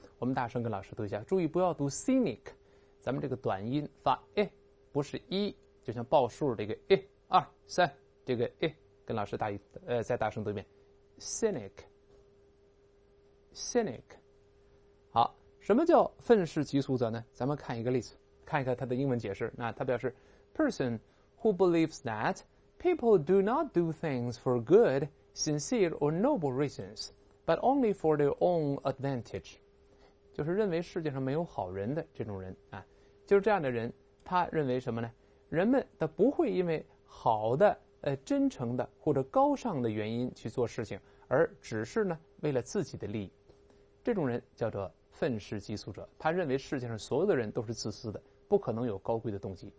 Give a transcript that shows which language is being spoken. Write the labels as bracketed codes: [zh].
[zh] 我们大声跟老师读一下，注意不要读 cynic， 咱们这个短音发 a， 不是一，就像报数这个 a 二三这个 a， 跟老师大再大声读一遍 cynic， cynic。好，什么叫愤世嫉俗者呢？咱们看一个例子，看一看它的英文解释。那它表示 [en] person who believes that people do not do things for good, sincere or noble reasons, but only for their own advantage。 [zh] 就是认为世界上没有好人的这种人啊，就是这样的人，他认为什么呢？人们他不会因为好的、真诚的或者高尚的原因去做事情，而只是呢为了自己的利益。这种人叫做愤世嫉俗者，他认为世界上所有的人都是自私的，不可能有高贵的动机。